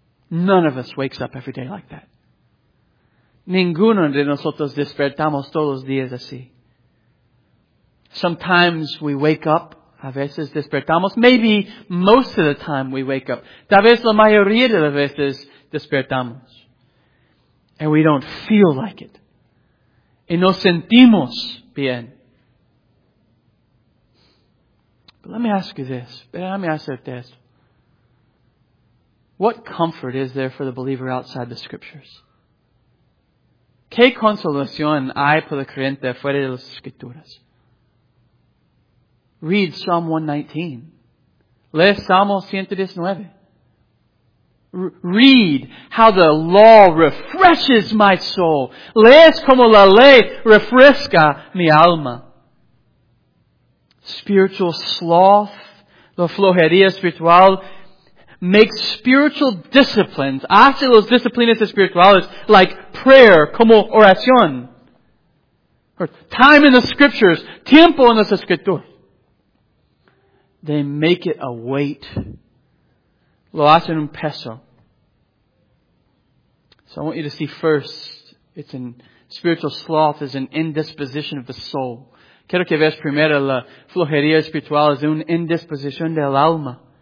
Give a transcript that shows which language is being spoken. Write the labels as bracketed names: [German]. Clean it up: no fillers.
[English] None of us wakes up every day like that. [Spanish] Ninguno de nosotros despertamos todos los días así. [English] Sometimes we wake up. [Spanish] A veces despertamos. [English] Maybe most of the time we wake up. [Spanish] Tal vez la mayoría de las veces despertamos. [English] And we don't feel like it. [Spanish] Y no sentimos bien. [English] But let me ask you this. [Spanish] Déjame hacerte esto. [English] What comfort is there for the believer outside the scriptures? [Spanish] ¿Qué consolación hay para el creyente fuera de las escrituras? [English] Read Psalm 119. [Spanish] Lee Salmo 119. [English] Read how the law refreshes my soul. [Spanish] Lees como la ley refresca mi alma. [English] Spiritual sloth, [Spanish] la flojería espiritual, [English] makes spiritual disciplines, [Spanish] hace los disciplinas espirituales, [English] like prayer, [Spanish] como oración, [English] or time in the scriptures, [Spanish] tiempo en las escrituras. [English] They make it a weight. [Spanish] Lo hacen un peso. [English] So I want you to see first, it's in spiritual sloth is an indisposition of the soul. [Spanish] Quiero que veas primero la flojería espiritual es una indisposición del alma.